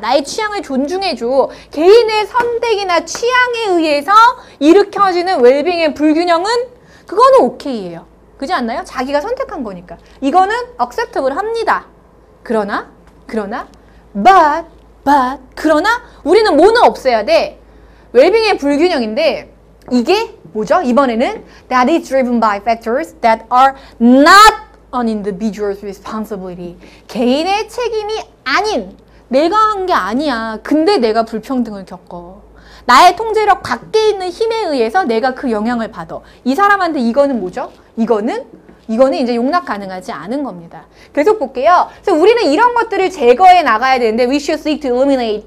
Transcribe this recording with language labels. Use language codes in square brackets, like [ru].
[ko] 나의 취향을 존중해줘. 개인의 선택이나 취향에 의해서 일으켜지는 웰빙의 불균형은 그거는 오케이예요. 그지 않나요? 자기가 선택한 거니까. 이거는 acceptable 합니다. 그러나, but, 그러나 우리는 뭐는 없애야 돼? 웰빙의 불균형인데 이게 뭐죠? 이번에는 [en] that is driven by factors that are not an individual's responsibility. [ko] 개인의 책임이 아닌, 내가 한 게 아니야. 근데 내가 불평등을 겪어. 나의 통제력 밖에 있는 힘에 의해서 내가 그 영향을 받아. 이 사람한테 이거는 뭐죠? 이거는 이제 용납 가능하지 않은 겁니다. 계속 볼게요. 그래서 우리는 이런 것들을 제거해 나가야 되는데 [en] we should seek to eliminate.